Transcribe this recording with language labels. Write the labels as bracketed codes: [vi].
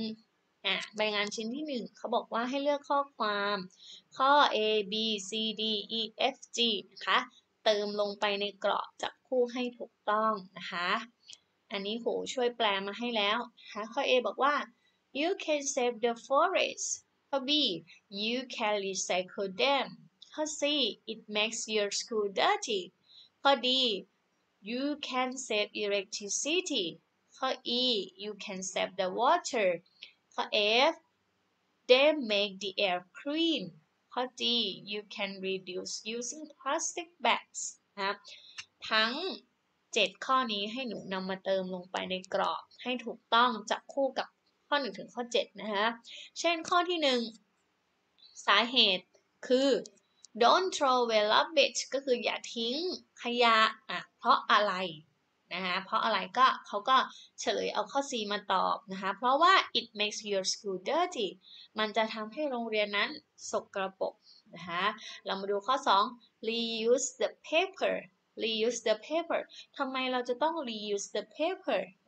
[th] 1ใบงานชิ้นที่1เขาบอกว่าให้เลือกข้อความข้อ A B C D E F G นะคะเติมลงไปในกรอบจับคู่ให้ถูกต้องนะคะอันนี้โหช่วยแปลมาให้แล้วนะข้อ A บอกว่า [en] You can save the forest. [th] ข้อ B. [en] You can recycle them. [th] ข้อ C. [en] It makes your school dirty. [th] ข้อ D. [en] You can save electricity. [th] ข้อ E. [en] You can save the water. [th] ข้อ F. [en] They make the air clean. [th] ข้อ D. [en] You can reduce using plastic bags. [th] นะทั้ง7ข้อนี้ให้หนูนำมาเติมลงไปในกรอบให้ถูกต้องจับคู่กับข้อ1ถึงข้อ7นะคะเช่นข้อที่ 1สาเหตุคือ [en] don't throw away rubbish [th] ก็คืออย่าทิ้งขยะเพราะอะไรนะคะเพราะอะไรก็เขาก็เฉลยเอาข้อ C มาตอบนะคะเพราะว่า [en] it makes your school dirty [th] มันจะทำให้โรงเรียนนั้นสกปรกนะคะเรามาดูข้อ2 [en] reuse the paper reuse the paper [th] ทำไมเราจะต้อง [en] reuse the paper